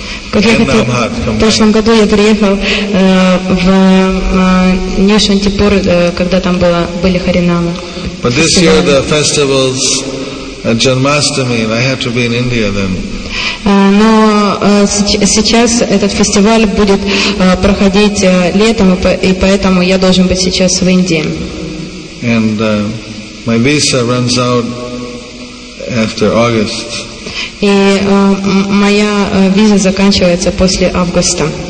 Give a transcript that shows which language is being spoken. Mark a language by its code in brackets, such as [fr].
[ru] В прошлом году я приехал в Нишантипур, когда там были харинамы. [en] But this year the festival's Janmashtami, and I have to be in India then. [ru] Но сейчас этот фестиваль будет проходить летом, и поэтому я должен быть сейчас в Индии. [en] And my visa runs out after August. [ru] И моя виза заканчивается после августа.